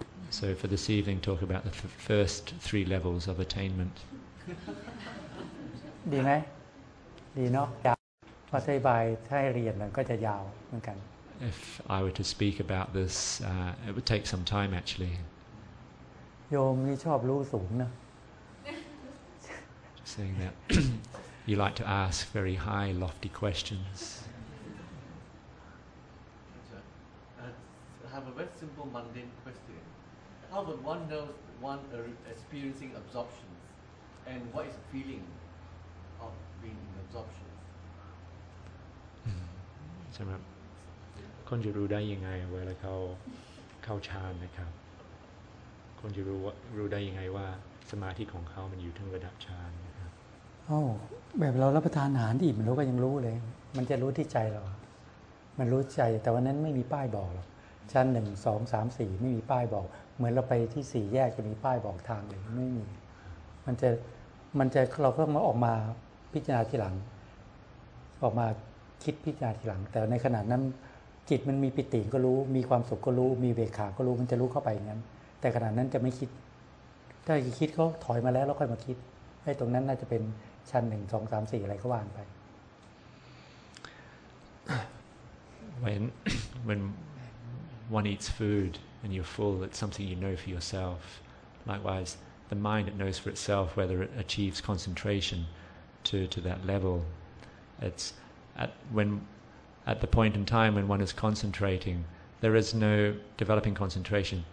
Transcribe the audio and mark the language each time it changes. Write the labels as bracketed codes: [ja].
[en] So for this evening, talk about the first three levels of attainment. [th] ดีไหมดีเนาะยาวพอได้ไปให้เรียนมันก็จะยาวเหมือนกัน [en] If I were to speak about this, it would take some time actually. [th] Yom, [en] you [th] ชอบรู้สูงนะ [en] Just saying that you like to ask very high, lofty questions. I have a very simple, mundane question. How would one know one experiencing absorptions, and what is the feeling of being in absorptions? Sorry. [th] คนจะรู้ได้ยังไงเวลาเข้าฌานนะครับคนจะรู้ได้ยังไงว่าสมาธิของเขามันอยู่ถึงระดับฌานนะครับ โอ้แบบเรารับประทานอาหารอิ่มแล้วก็ยังรู้เลยมันจะรู้ที่ใจเรามันรู้ใจแต่วันนั้นไม่มีป้ายบอกหรอกฌาน1 2 3 4ไม่มีป้ายบอกเหมือนเราไปที่4แยกจะมีป้ายบอกทางเลยไม่มีมันจะเราเพิ่งมาออกมาพิจารณาทีหลัง ออกมาคิดพิจารณาทีหลังแต่ในขณะนั้นจิตมันมีปิติก็รู้มีความสุขก็รู้มีเวขาก็รู้มันจะรู้เข้าไปอย่างนั้นแต่ขณะนั้นจะไม่คิดถ้าจะคิดก็ถอยมาแล้วแล้วค่อยมาคิดให้ตรงนั้นน่าจะเป็นชั้น1 2 3 4อะไรก็ว่างไป [en] when one eats food and you're full it's something you know for yourself likewise the mind it knows for itself whether it achieves concentration to that level it's at the point in time when one is concentrating, there is no developing concentration.